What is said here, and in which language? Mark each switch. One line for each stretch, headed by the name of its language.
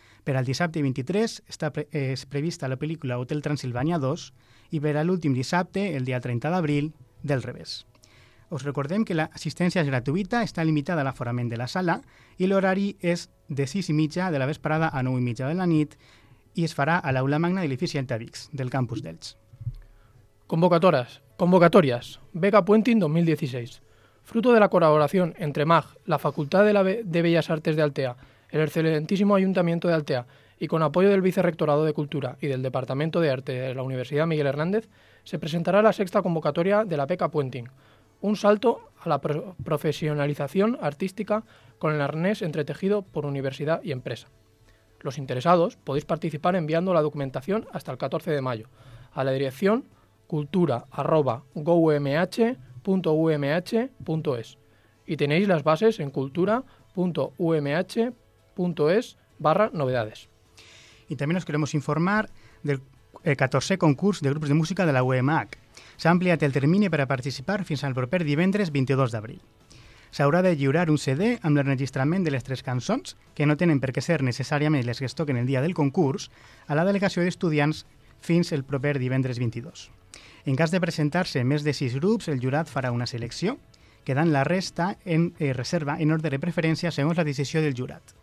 Catalan: Per al dissabte 23 és prevista la pel·lícula Hotel Transilvània 2 i per a l'últim dissabte, el dia 30 d'abril, Del Revés. Us recordem que l'assistència és gratuïta, està limitada a l'aforament de la sala i l'horari és de 6:30 de la vesprada a 9:30 de la nit i es farà a l'aula magna de l'edifici Altavix, del campus d'Elx. Convocatòries. Beca Puenting 2016.
Spanish: Fruto de la colaboración entre MAG, la Facultad de Bellas Artes de Altea, el excelentísimo Ayuntamiento de Altea y con apoyo del Vicerrectorado de Cultura y del Departamento de Arte de la Universidad Miguel Hernández, se presentará la sexta convocatoria de la Beca Puenting, un salto a la profesionalización artística con el arnés entretejido por universidad y empresa. Los interesados podéis participar enviando la documentación hasta el 14 de mayo a la dirección cultura@goumh.umh.es y tenéis las bases en cultura.umh.es/novedades. Y también os queremos informar del
Catalan: 14è concurs de grups de música de la UMH. S'ha ampliat el termini per a participar fins al proper divendres 22 d'abril. S'haurà de lliurar un CD amb l'enregistrament de les tres cançons, que no tenen per què ser necessàriament les que es toquen el dia del concurs, a la delegació d'estudiants fins el proper divendres 22. En cas de presentar-se més de 6 grups, el jurat farà una selecció, quedant la resta en reserva en ordre de preferència segons la decisió del jurat.